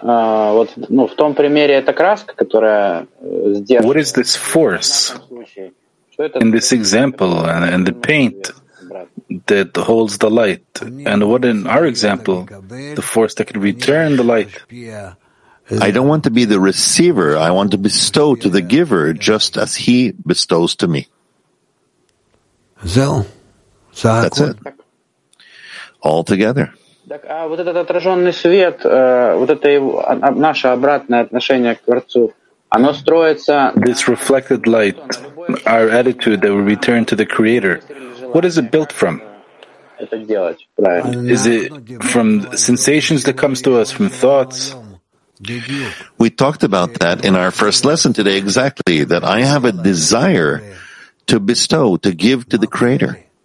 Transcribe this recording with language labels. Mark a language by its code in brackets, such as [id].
[ru] Вот, ну, в том примере это краска, которая сдерживает. [en] What is this force in this example and the paint that holds the light? And what in our example, the force that can return the light? I don't want to be the receiver. I want to bestow to the giver just as he bestows to me. That's it. All together. [ru] Так, а вот этот отраженный свет, вот это его, наше обратное отношение к Творцу, оно строится... [en] This reflected light, our attitude that we return to the Creator, what is it built from? Is it from sensations that comes to us from thoughts? We talked about that in our first lesson today, exactly, that I have a desire to bestow, to give to the Creator.